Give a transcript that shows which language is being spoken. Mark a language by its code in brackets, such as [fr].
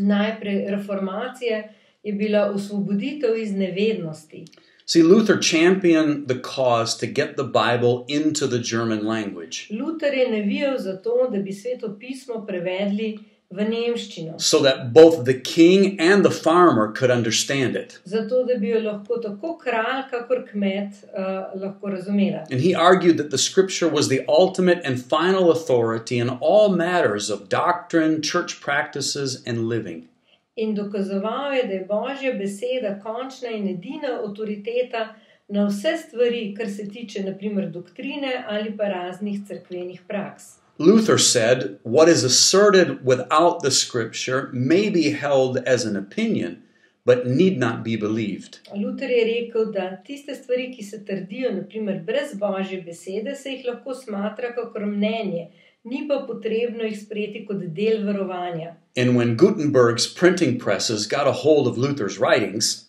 [sl] Najprej, reformacija je bila osvoboditev iz nevednosti. [en] See, Luther championed the cause to get the Bible into the German language. [sl] Luther je navijal za to, da bi sveto pismo prevedli v nemščino. [en] So that both the king and the farmer could understand it. [sl] Zato, da bi jo lahko tako kralj, kakor kmet lahko razumela. [en] And he argued that the scripture was the ultimate and final authority in all matters of doctrine, church practices and living. [sl] In dokazoval je, da je Božja beseda končna in edina avtoriteta na vse stvari, kar se tiče, na primer, doktrine ali pa raznih cerkvenih praks. [en] Luther said, what is asserted without the scripture may be held as an opinion, but need not be believed. [sl] Luther je rekel, da tiste stvari, ki se trdijo, na primer, brez Božje besede, se jih lahko smatra kakor mnenje, ni pa potrebno jih sprejeti kot del verovanja. [en] And when Gutenberg's printing presses got a hold of Luther's writings,